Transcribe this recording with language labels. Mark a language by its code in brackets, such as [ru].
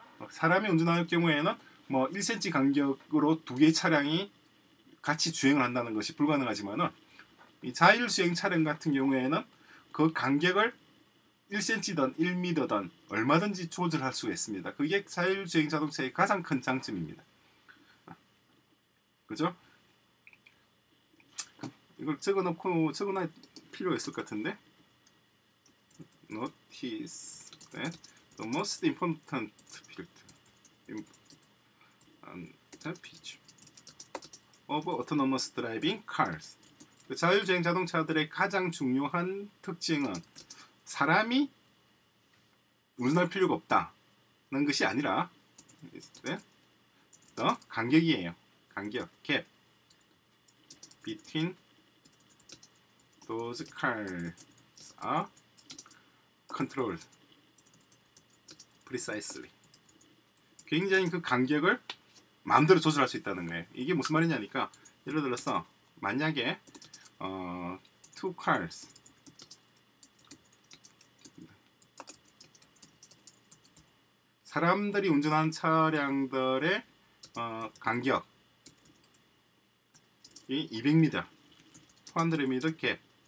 [ko] 사람이 운전할 경우에는 뭐 1cm 간격으로 두 개 차량이 같이 주행을 한다는 것이 불가능하지만은 이 자율 주행 차량 같은 경우에는 그 간격을 1cm든 1m든 얼마든지 조절할 수 있습니다. 그게 자율 주행 자동차의 가장 큰 장점입니다. 그죠? 이걸 적어놓고 적어놔야 필요가 있을 것 같은데. [en] Notice that the most important feature of autonomous driving cars. [ko] 그 자율주행 자동차들의 가장 중요한 특징은 사람이 운전할 필요가 없다는 것이 아니라 the 간격이에요. [en] 간격, gap between those cars are controlled precisely. [ko] 굉장히 그 간격을 마음대로 조절할 수 있다는 거예요. 이게 무슨 말이냐니까 예를 들어서 만약에 [en] two cars [ko] 사람들이 운전한 차량들의 간격이 200m, 200m 갭.